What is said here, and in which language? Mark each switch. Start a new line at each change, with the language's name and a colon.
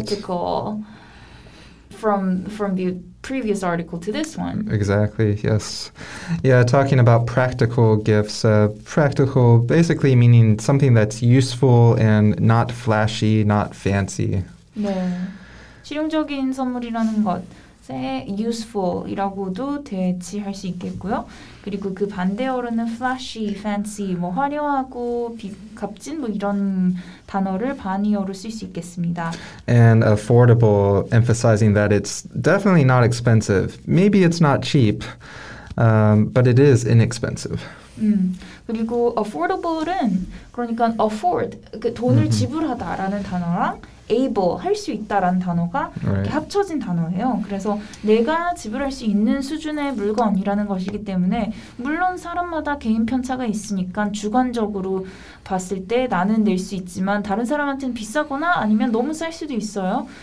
English: practical from the previous article to this one. Exactly, yes. Yeah, talking about practical gifts, practical basically meaning something that's useful and not flashy, not fancy.
Korean: 네, 실용적인 선물이라는 것. useful이라고도 대치할 수 있겠고요. 그리고 그 반대어로는 flashy, fancy, 뭐 화려하고 값진 뭐 이런 단어를 반의어로 쓸 수 있겠습니다.
English: And affordable, emphasizing that it's definitely not expensive. Maybe it's not cheap, but it is inexpensive.
Korean: 그리고 affordable은 그러니까 afford, 그 돈을 mm-hmm. 지불하다라는 단어랑 able, 할 수 있다라는 단어가
English: right.
Korean: 합쳐진 단어예요. 그래서 내가 지불할 수 있는 수준의 물건이라는 것이기 때문에 물론 사람마다 개인 편차가 있으니까 주관적으로 봤을 때 나는 낼 수 있지만 다른 사람한테는 비싸거나 아니면 너무 쌀 수도 있어요.